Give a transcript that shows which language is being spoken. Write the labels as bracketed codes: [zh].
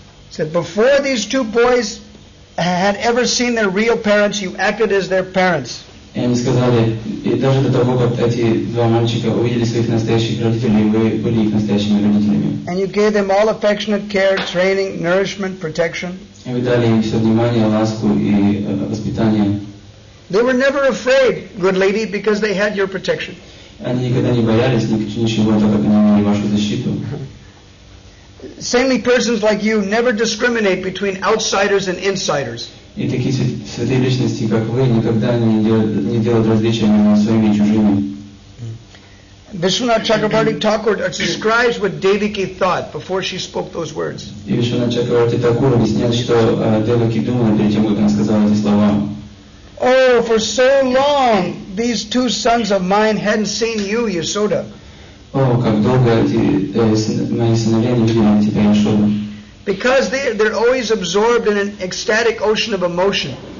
[en] Said, before these two boys had ever seen their real parents, you acted as their parents. And [ru] сказали, и даже до того, как эти два мальчика увидели своих настоящих родителей, вы были их настоящими родителями. [en] And you gave them all affectionate care, training, nourishment, protection. [ru] И вы дали им все внимание, ласку и воспитание. [en] They were never afraid, good lady, because they had your protection. [ru] Они никогда не боялись ничего, так как они имели вашу защиту. [en] Saintly persons like you never discriminate between outsiders and insiders. [ru] И такие святые личности, как вы, никогда не делают различия между своими и чужими. [en] Vishwanath Chakravarti Thakur describes what Devaki thought before she spoke those words. Oh, for so long these two sons of mine hadn't seen you, Yasoda. [ru] Oh, как долго эти мои сыновья не видели тебя, Яшода. [en] Because they're always absorbed in an ecstatic ocean of emotion.